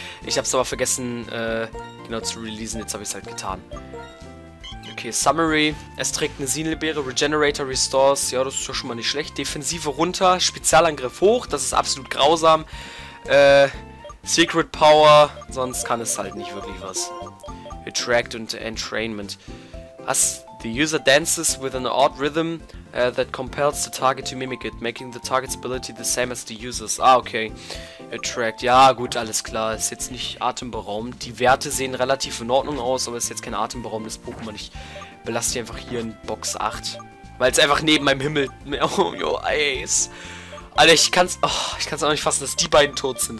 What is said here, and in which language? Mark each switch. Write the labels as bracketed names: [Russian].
[German] Ich habe es aber vergessen, genau zu releasen. Jetzt habe ich es halt getan. Okay, Summary. Es trägt eine Sinelbeere, Regenerator, Restores. Ja, das ist doch schon mal nicht schlecht. Defensive runter, Spezialangriff hoch. Das ist absolut grausam. Secret Power. Sonst kann es halt nicht wirklich was. Attract und Entrainment. [English] As the user dances with an odd rhythm that compels the target to mimic it, making the target's ability the same as the user's. [German] Ah, okay. Attract. Ja, gut, alles klar. Ist jetzt nicht atemberaubend. Die Werte sehen relativ in Ordnung aus, aber ist jetzt kein atemberaubendes Pokémon. Ich belasse die einfach hier in Box 8. Weil es einfach neben meinem Himmel... Oh, yo, Eis. Alter, ich kann's... Oh, ich kann's auch nicht fassen, dass die beiden tot sind.